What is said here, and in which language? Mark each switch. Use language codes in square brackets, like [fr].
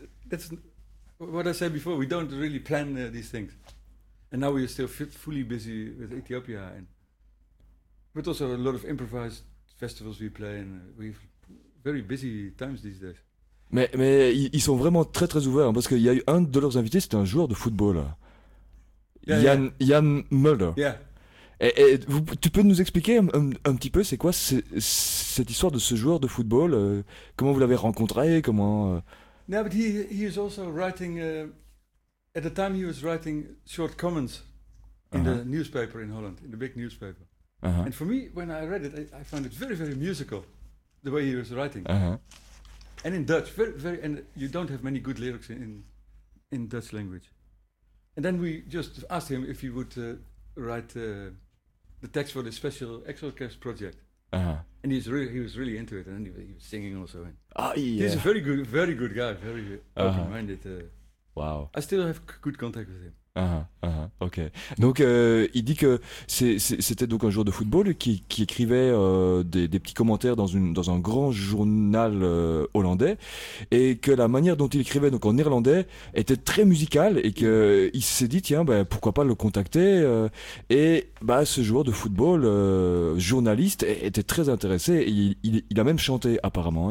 [en] That's what I said before. We don't really plan these things, and now we are still fully busy with Ethiopia, and but also a lot of improvised festivals we play, and we've very busy times these days. [fr] Mais ils sont vraiment très très ouverts, hein, parce qu'il y a eu un de leurs invités, c'était un joueur de football, Jan Mulder. [en] Yeah. [fr] Tu peux nous expliquer un petit peu c'est quoi cette histoire de ce joueur de football, comment vous l'avez rencontré, comment [en] No, but he is also writing at the time he was writing short comments in the newspaper in Holland, in the big newspaper. Uh-huh. And for me, when I read it, I found it very very musical the way he was writing. Uh-huh. And in Dutch, very very, and you don't have many good lyrics in Dutch language. And then we just asked him if he would write the text for the special ExoCast project. Uh-huh. And he was really into it, and he was singing also. And he's a very good guy, very open-minded. Wow. I still have good contact with him. Ok. [fr] Donc, il dit que c'était donc un joueur de football qui écrivait des petits commentaires dans un grand journal hollandais, et que la manière dont il écrivait donc en néerlandais était très musicale, et que il s'est dit tiens, ben pourquoi pas le contacter, et bah ce joueur de football journaliste était très intéressé, et il a même chanté apparemment.